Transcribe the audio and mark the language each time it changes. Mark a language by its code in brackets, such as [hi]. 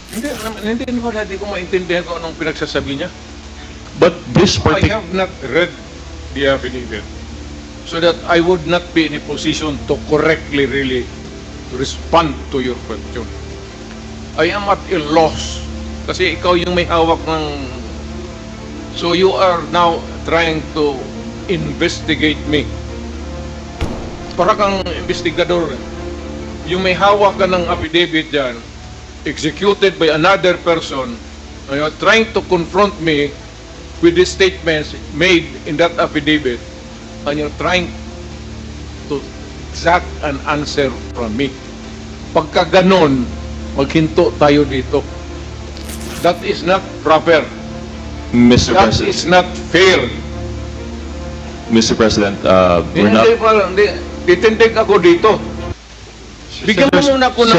[tl] Hindi ko maintindihan kung anong pinagsasabi niya. [en] But this particular... I have not read the affidavit so that I would not be in a position to correctly really respond to your question. I am at a loss [tl] kasi ikaw yung may hawak ng... [en] So you are now trying to investigate me. [tl] Para kang investigador. Yung may hawak ka ng affidavit dyan, [en] executed by another person, trying to confront me with the statements made in that affidavit, and you're trying to exact an answer from me. [tl] Pagka ganon, maghinto tayo dito. [en] That is not proper. Mr. That President. Is not fair. Mr. President, we're not... [tl] Titindig ako dito. Bigyan mo muna ako ng...